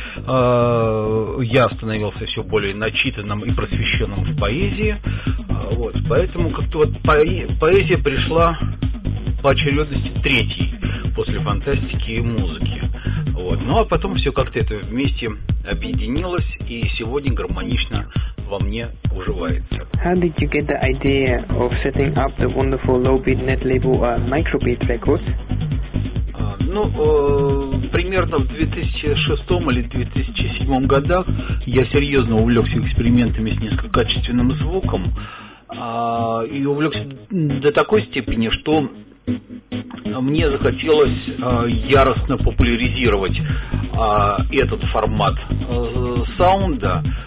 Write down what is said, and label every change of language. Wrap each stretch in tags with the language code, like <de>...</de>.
<ru>Я становился все более начитанным и просвещенным в поэзии. Вот. Поэтому как-то вот поэзия пришла по очередности третьей после фантастики и музыки. Вот. Ну а потом все как-то это вместе объединилось и сегодня гармонично во мне уживается.</ru> <en>How did you get the idea of setting up the wonderful low-beat net label Microbeat Records?</en> <ru>Ну, примерно в 2006 или 2007 годах я серьезно увлекся экспериментами с низкокачественным звуком, и увлекся до такой степени, что мне захотелось яростно популяризировать этот формат саунда.</ru>